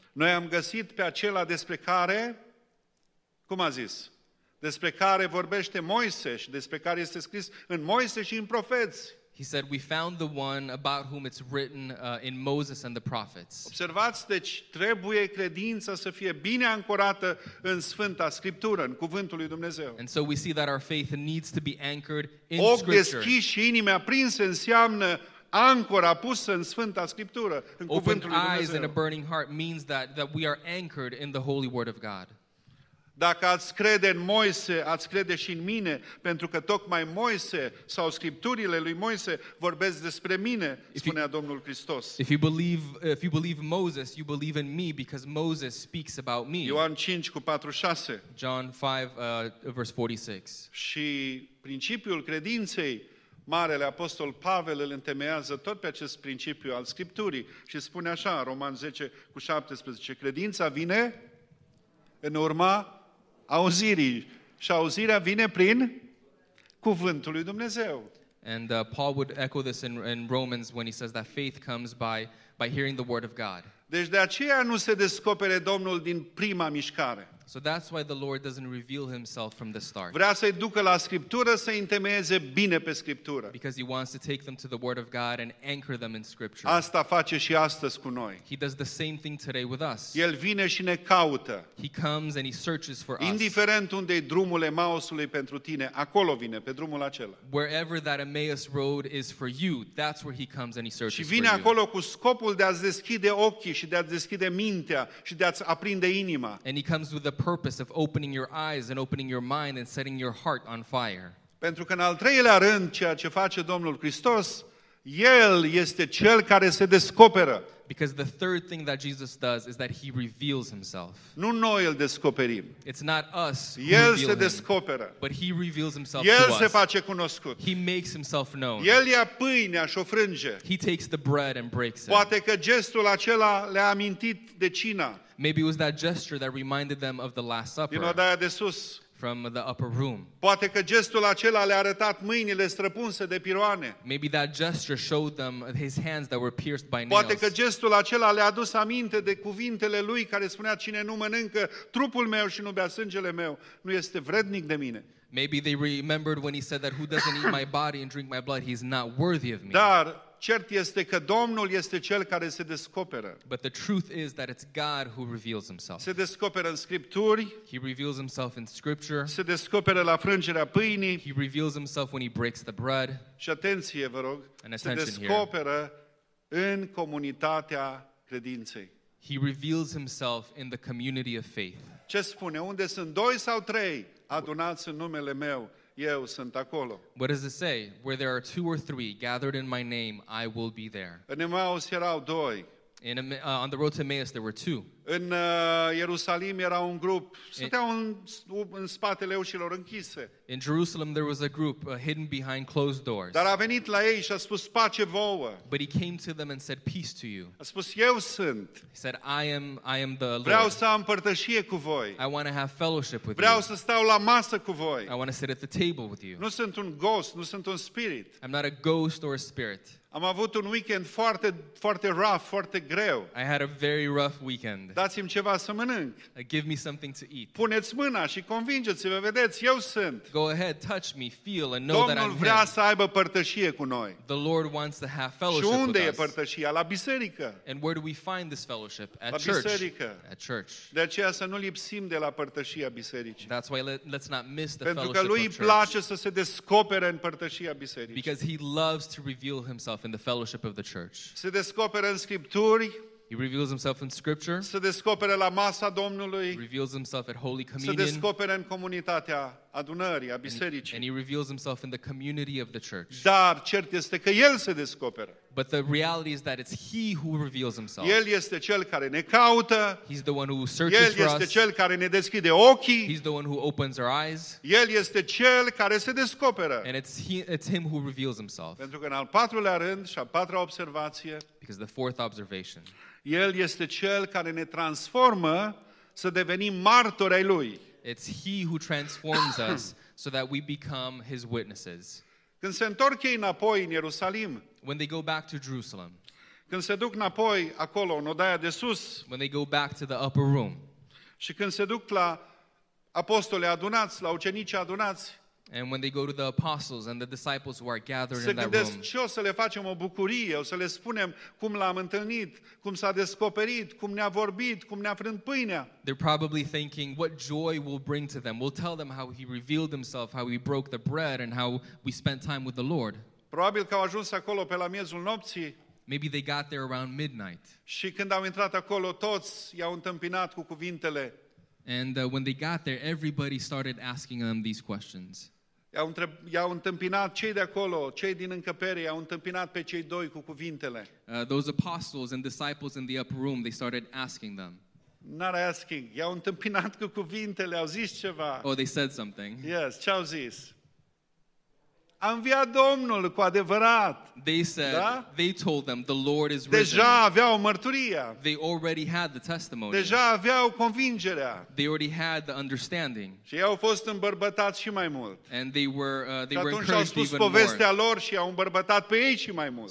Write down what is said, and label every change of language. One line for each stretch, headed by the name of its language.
Romanian: Noi am găsit pe acela despre care, cum a zis? Despre care vorbește Moise și despre care este scris în Moise și în profeți.
English: He said, we found the one about whom it's written in Moses and the prophets.
Romanian: Observați, deci, trebuie credința să fie bine ancorată în Sfânta Scriptură, în Cuvântul lui Dumnezeu.
English: And so we see that our faith needs to be anchored in
Romanian: Ochi
English: Scripture.
Romanian: Ochi deschiși și inimi aprinse înseamnă ancora pusă în Sfânta Scriptură, în
English: Opened
Romanian: Cuvântul lui Dumnezeu.
English: Eyes and a burning heart means that we are anchored in the Holy Word of God.
Romanian: Dacă ați crede în Moise, ați crede și în mine, pentru că tocmai Moise sau scripturile lui Moise vorbesc despre mine, spunea Domnul Hristos.
English: If you believe Moses, you believe in me because Moses speaks about me.
Romanian: Ioan 5 cu 46.
English: John 5 verse 46.
Romanian: Și principiul credinței, marele apostol Pavel îl întemeiază tot pe acest principiu al Scripturii și spune așa, Roman 10 cu 17, credința vine în urma auzirii. Și auzirea vine prin cuvântul lui Dumnezeu.
English: And Paul would echo this in Romans when he says that faith comes by hearing the word of God.
Romanian: Deci de aceea nu se descopere Domnul din prima mișcare.
English: So that's why the Lord doesn't reveal himself from the start.
Romanian: Vrea să-i ducă la Scriptură să întemeieze bine pe Scriptură.
English: Because he wants to take them to the word of God and anchor them in Scripture.
Romanian: Asta face și astăzi cu noi.
English: He does the same thing today with us.
Romanian: El vine și ne caută.
English: He comes and he searches for us.
Romanian: Indiferent unde-i drumul Emausului pentru tine, acolo vine, pe drumul acela.
English: Wherever that Emmaus road is for you, that's where he comes and he searches for
Romanian: you. Și vine acolo cu scopul de a-ți deschide ochii și de a-ți deschide mintea și de a-ți aprinde inima.
English: And he comes with the purpose of opening your eyes and opening your mind and setting your heart on fire.
Romanian: Pentru că în al treilea rând, ceea ce face Domnul Hristos, El este Cel care se descoperă.
English: Because the third thing that Jesus does is that He reveals Himself.
Romanian: Nu noi îl descoperim.
English: It's not us who reveal Him.
Romanian: El se descoperă.
English: But He reveals Himself to
Romanian: us. El se face cunoscut.
English: He makes Himself known.
Romanian: El ia pâinea și o frânge.
English: He takes the bread and breaks it.
Romanian: Poate că gestul acela le-a amintit de cina.
English: Maybe it was that gesture that reminded them of the Last Supper.
Romanian: Din odaia de sus.
English: From the upper room.
Romanian: Poate că gestul acela le-a arătat mâinile străpunse de piroane.
English: Maybe that gesture showed them his hands that were pierced by nails.
Romanian: Poate că gestul acela le-a adus aminte de cuvintele lui care spunea, cine nu mănâncă trupul meu și nu bea sângele meu, nu este vrednic de mine.
English: Maybe they remembered when he said that who doesn't eat my body and drink my blood, he's not worthy of me.
Romanian: Dar cert este că Domnul este cel care se descoperă.
English: But the truth is that it's God who reveals himself.
Romanian: Se descoperă în scripturi.
English: He reveals himself in scripture.
Romanian: Se descoperă la frângerea pâinii.
English: He reveals himself when he breaks the bread.
Romanian: Și atenție, vă rog,
English: and attention
Romanian: se descoperă în comunitatea credinței.
English: He reveals himself in the community of faith.
Romanian: Ce spune? Unde sunt doi sau trei adunați în numele meu? Eu sunt acolo.
English: What does it say? Where there are two or three gathered in my name, I will be there.
Romanian: În Emaus erau doi.
English: On the road to Emmaus, there were two.
Romanian: În Ierusalim era un grup. Stăteau în spatele ușilor închise.
English: In Jerusalem, there was a group hidden behind closed doors.
Romanian: Dar a venit la ei și a spus, pace vouă.
English: But he came to them and said, peace to you.
Romanian: A spus, eu sunt.
English: He said, I am the Lord.
Romanian: Vreau să am părtășie cu voi.
English: I want to have fellowship with
Romanian: Vreau
English: you.
Romanian: Vreau să stau la masă cu voi.
English: I want to sit at the table with you.
Romanian: Nu sunt un ghost, nu sunt un spirit.
English: I'm not a ghost or a spirit.
Romanian: Am avut un weekend foarte, foarte rough, foarte greu.
English: I had a very rough weekend.
Romanian: Dați-mi ceva să mănânc.
English: Give me something to eat.
Romanian: Puneți mâna și convingeți-vă, vedeți, eu sunt.
English: Go ahead, touch me, feel and know
Romanian: Domnul
English: that I'm
Romanian: Domnul vrea să aibă părtășie cu noi.
English: The Lord wants to have fellowship
Romanian: și unde
English: with
Romanian: e părtășia? La biserică.
English: And where do we find this fellowship? At
Romanian: la
English: church.
Romanian: Biserică.
English: At church.
Romanian: De aceea să nu lipsim de la părtășia bisericii.
English: That's why let's not miss the
Romanian: Pentru
English: fellowship
Romanian: Pentru că lui place
English: church.
Romanian: Să se descopere în părtășia bisericii.
English: Because he loves to reveal himself in the fellowship of the church.
Romanian: Se descoperă în scripturi.
English: He reveals himself in scripture.
Romanian: Se descoperă la masa Domnului.
English: He reveals himself at Holy Communion.
Romanian: Se descoperă în comunitatea adunării, a bisericii.
English: And he reveals himself in the community of the church.
Romanian: Dar cert este că el se descoperă.
English: But the reality is that it's he who reveals himself.
Romanian: El este cel care ne caută.
English: He's the one who searches
Romanian: El este
English: for us.
Romanian: Cel care ne deschide ochii.
English: He's the one who opens our eyes.
Romanian: El este cel care se descoperă.
English: And it's him who reveals himself.
Romanian: Pentru că în al patrulea rând și a patra observație.
English: Because the fourth observation.
Romanian: El este cel care ne transformă să devenim martori ai lui.
English: It's he who transforms us so that we become his witnesses.
Romanian: Când se întorc ei înapoi în Ierusalim.
English: When they go back to Jerusalem.
Romanian: Când se duc înapoi acolo în odaia de sus.
English: When they go back to the upper room.
Romanian: Și când se duc la apostoli adunați, la ucenici adunați.
English: And when they go to the apostles and the disciples who are gathered
Romanian: se gândesc,
English: in that room.
Romanian: Ce o să le facem o bucurie, o să le spunem cum l-am întâlnit, cum s-a descoperit, cum ne-a vorbit, cum ne-a frânt pâinea.
English: They're probably thinking what joy will bring to them. We'll tell them how he revealed himself, how he broke the bread and how we spent time with the Lord.
Romanian: Probabil că au ajuns acolo pe la miezul nopții.
English: Maybe they got there around midnight.
Romanian: Și când au intrat acolo toți i-au întâmpinat cu cuvintele.
English: And when they got there, everybody started asking them these questions.
Romanian: I-au întâmpinat cei de acolo, cei din încăpere, i-au întâmpinat pe cei doi cu cuvintele.
English: Those apostles and disciples in the upper room, they started asking them. Not asking,
Romanian: i-au întâmpinat cu cuvintele, au zis ceva.
English: Oh, they said something.
Romanian: Yes, ce-au zis? A înviat Domnul cu adevărat.
English: They said,
Romanian: da?
English: They told them, the Lord is risen.
Romanian: Deja aveau mărturia.
English: They already had the testimony.
Romanian: Deja aveau convingerea.
English: They already had the understanding.
Romanian: Și au fost îmbărbătați și mai mult.
English: And they were encouraged even more.
Romanian: Și atunci au spus povestea lor și au îmbărbătat pe ei și mai mult.